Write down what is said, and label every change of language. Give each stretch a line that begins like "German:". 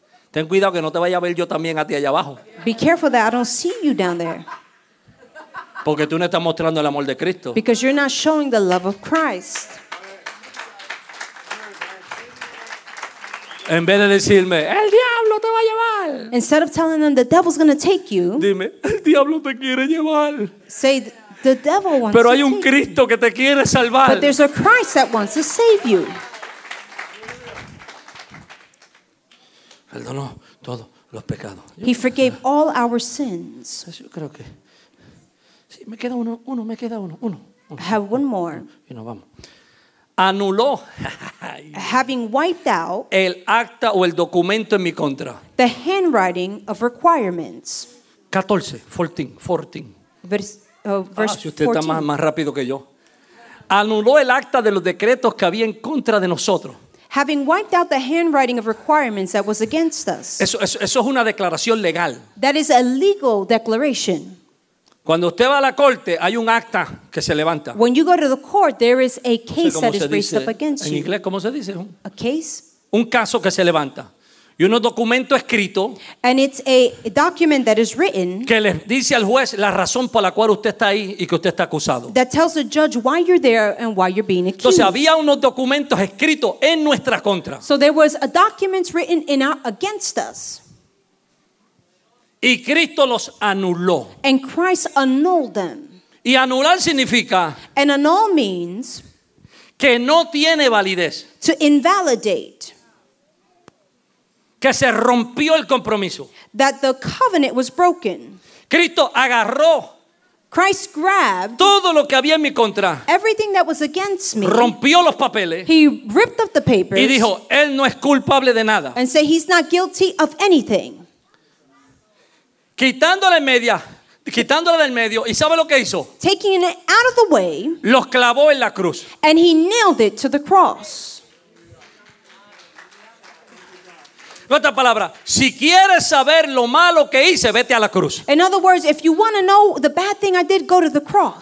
Spanish: Ten cuidado que no te vaya a ver yo también a ti allá abajo.
English: Be careful that I don't see you down there.
Spanish: Porque tú no estás mostrando el amor de Cristo.
English: Because you're not showing the love of Christ.
Spanish: En vez de decirme, el diablo te va a llevar.
English: Instead of telling them the devil's going to take you.
Spanish: Dime, el diablo te quiere llevar.
English: Say, the devil wants to take you.
Spanish: Pero hay un Cristo que te quiere salvar.
English: But there's a Christ that wants to save you.
Spanish: Perdonó todos los pecados.
English: He forgave all our sins.
Spanish: Yo creo que... Sí, me queda uno, uno, me queda uno, uno.
English: I have one more.
Spanish: Y nos vamos. Anuló.
English: Having wiped out
Spanish: el acta o el documento en mi contra.
English: The handwriting of requirements. 14. Verse
Spanish: si usted 14. Está más rápido que yo. Anuló el acta de los decretos que había en contra de nosotros.
English: Having wiped out the handwriting of requirements that was against us.
Spanish: Eso es una declaración legal.
English: That is a legal declaration.
Spanish: Cuando usted va a la corte, hay un acta que se levanta.
English: When you go to the court, there is a case that is raised up against you.
Spanish: En inglés, ¿cómo se dice?
English: A case.
Spanish: Un caso que se levanta. Y un documento escrito.
English: And it's a document that is written.
Spanish: Que le dice al juez la razón por la cual usted está ahí y que usted está acusado.
English: That tells the judge why you're there and why you're being accused.
Spanish: Entonces había unos documentos escritos en nuestra contra.
English: So there was a document written in our, against us.
Spanish: Y Cristo los anuló.
English: And Christ annulled them.
Spanish: Y anular significa.
English: And annul means.
Spanish: Que no tiene validez.
English: To invalidate.
Spanish: Que se rompió el compromiso.
English: That the covenant was broken.
Spanish: Cristo agarró.
English: Christ grabbed.
Spanish: Todo lo que había en mi contra.
English: Everything that was against me.
Spanish: Rompió los papeles.
English: He ripped up the papers.
Spanish: Y dijo, él no es culpable de nada.
English: And said he's not guilty of anything.
Spanish: Quitándola del medio, ¿y sabe lo que hizo?
English: Taking it out of the way.
Spanish: Los clavó en la cruz.
English: And he nailed it to the cross.
Spanish: En otra palabra, si quieres saber lo malo que hice, vete a la cruz.
English: In other words, if you want to know the bad thing I did, go to the cross.